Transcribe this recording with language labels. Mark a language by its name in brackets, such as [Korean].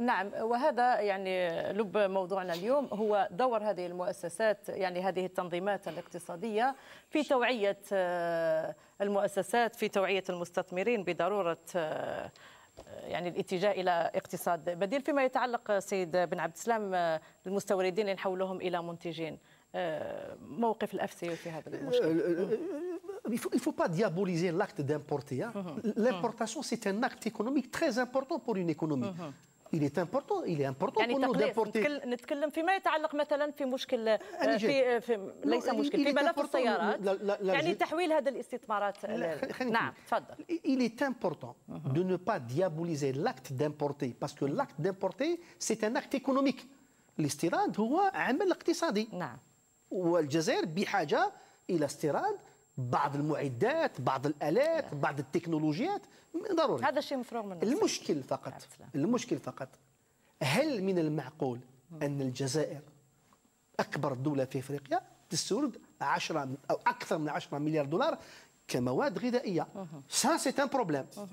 [Arabic] نعم، وهذا يعني لب موضوعنا اليوم، هو دور هذه المؤسسات، يعني هذه التنظيمات الاقتصاديه في توعيه المؤسسات، في توعيه المستثمرين بضروره يعني الاتجاه الى اقتصاد بديل. فيما يتعلق سيد بن عبد السلام المستوردين اللي نحولهم الى منتجين، موقف الافسي في هذا المشكل؟ [French] il faut pas diaboliser l'acte d'importer. L'importation c'est un acte économique très important pour une économie. Il est important, il est important pour nous d'importer. [Arabic] نتكلم فيما يتعلق مثلا في مشكل في ليس مشكل في ملف السيارات، يعني تحويل هذه الاستثمارات. نعم تفضل. [French] Il est important de ne pas diaboliser l'acte d'importer parce que l'acte d'importer c'est un acte économique. [Arabic] L'استيراد هو عمل اقتصادي. نعم. والجزائر بحاجه الى استيراد بعض المعدات، بعض الالات، بعض التكنولوجيات ضروري. هذا الشيء مفروغ منه. المشكل فقط هل من المعقول ان الجزائر اكبر دوله في افريقيا تستورد 10 او اكثر من 10 مليار دولار كمواد غذائيه؟ [French] سا سي ان بروبليم.